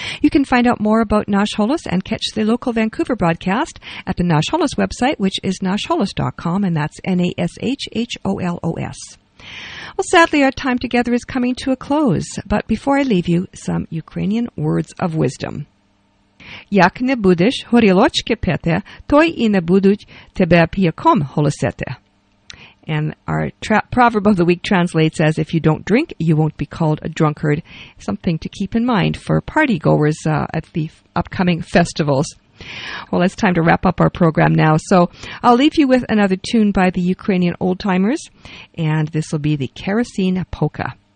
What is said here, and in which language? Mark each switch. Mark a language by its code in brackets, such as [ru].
[en] You can find out more about Nash Holos and catch the local Vancouver broadcast at the Nash Holos website, which is nashholos.com, and that's N-A-S-H-H-O-L-O-S. Well, sadly, our time together is coming to a close, but before I leave you, some Ukrainian words of wisdom. [uk] Як не будеш горілочки пити, той і не будуть тебе п'яком голосити. [en] And our proverb of the week translates as, if you don't drink, you won't be called a drunkard. Something to keep in mind for party goers at the upcoming festivals. Well, it's time to wrap up our program now. So I'll leave you with another tune by the Ukrainian Old Timers, and this will be the Kerosene Polka.